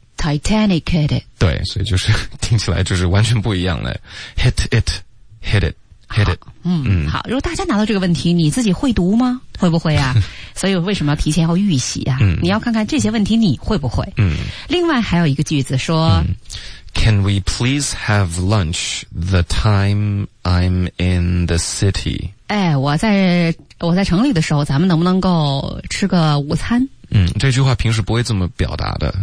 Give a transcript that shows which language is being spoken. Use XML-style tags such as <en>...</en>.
<en>Titanic hit it.</en> <zh>对，所以就是听起来就是完全不一样的。</zh> <en>Hit it.</en> <zh>好，如果大家拿到这个问题，你自己会读吗？会不会啊？所以为什么要提前要预习啊？你要看看这些问题你会不会。另外还有一个句子说</zh> <en>Can we please have lunch the time I'm in the city?</en> <zh>哎，我在城里的时候，咱们能不能够吃个午餐？这句话平时不会这么表达的。</zh>